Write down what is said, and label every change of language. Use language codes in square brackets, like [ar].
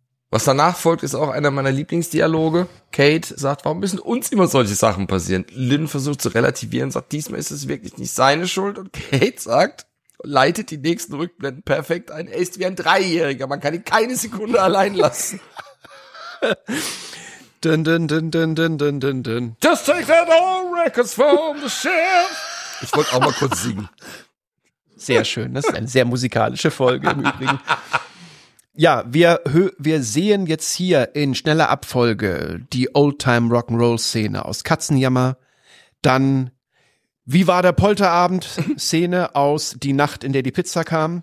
[de] Was danach folgt, ist auch einer meiner Lieblingsdialoge. Kate sagt, warum müssen uns immer solche Sachen passieren? Lynn versucht zu relativieren, sagt, diesmal ist es wirklich nicht seine Schuld. Und Kate sagt, leitet die nächsten Rückblenden perfekt ein. Er ist wie ein Dreijähriger, man kann ihn keine Sekunde allein lassen. Dun, dun, dun, dun, dun, dun, dun, dun. [en] Just take that old records from the shelf. [de] Ich wollte auch mal kurz singen. Sehr schön, das ist eine sehr musikalische Folge im Übrigen. Ja, wir sehen jetzt hier in schneller Abfolge die Oldtime-Rock'n'Roll-Szene aus Katzenjammer. Dann, wie war der Polterabend-Szene aus Die Nacht, in der die Pizza kam.